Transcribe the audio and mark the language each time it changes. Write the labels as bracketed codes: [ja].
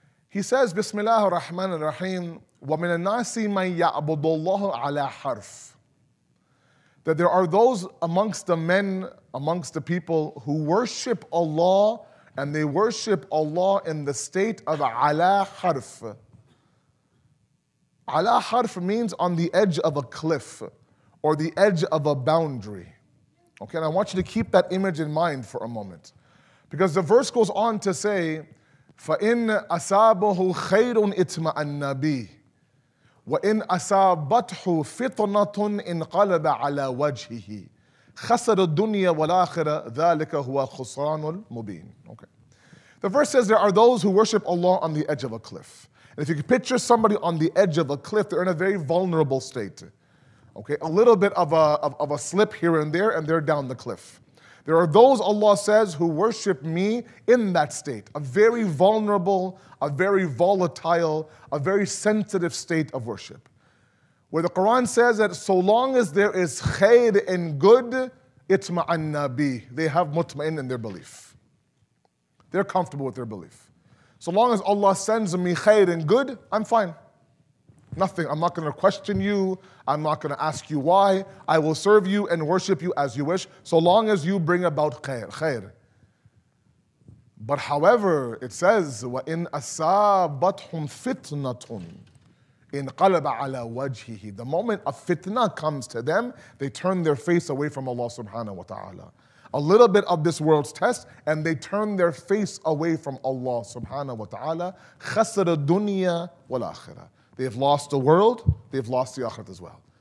[en] He says, Bismillah ar-Rahman ar-Rahim, [ar] وَمِنَ النَّاسِ مَنْ يَعْبُدُ اللَّهُ عَلَىٰ حَرْفٍ [en] That there are those amongst the men, amongst the people who worship Allah, and they worship Allah in the state of ala harf. Ala harf means on the edge of a cliff or the edge of a boundary. Okay, and I want you to keep that image in mind for a moment. Because the verse goes on to say, [ar] فَإِنْ أَصَابَهُ خَيْرٌ اِطْمَأَنَّ بِهِ وَإِنْ أَصَابَتْهُ فِتْنَةٌ إِنْقَلَبَ عَلَى وَجْهِهِ خَسَرَ الدُّنْيَا وَالْآخِرَةِ ذَلِكَ هُوَ خُسْرَانُ الْمُبِينُ [en] Okay. The verse says there are those who worship Allah on the edge of a cliff. And if you can picture somebody on the edge of a cliff, they're in a very vulnerable state. Okay, a little bit of a slip here and there, and they're down the cliff. There are those, Allah says, who worship me in that state, a very vulnerable, a very volatile, a very sensitive state of worship. Where the Quran says that so long as there is khayr and good, Itma'an Nabi. They have mutma'in in their belief. They're comfortable with their belief. So long as Allah sends me khair and good, I'm fine. Nothing. I'm not going to question you. I'm not going to ask you why. I will serve you and worship you as you wish, so long as you bring about khair. But however, it says, [ar] وَإِنْ أَسَابَتْهُمْ فِتْنَةٌ إِنْ قَلَبَ عَلَى وَجْهِهِ. [en] The moment a fitna comes to them, they turn their face away from Allah subhanahu wa ta'ala. A little bit of this world's test, and they turn their face away from Allah subhanahu wa ta'ala. [ar] خَسَرَ الدُّنْيَا وَالْآخِرَةِ. [en] They have lost the world, they have lost the akhirat as well.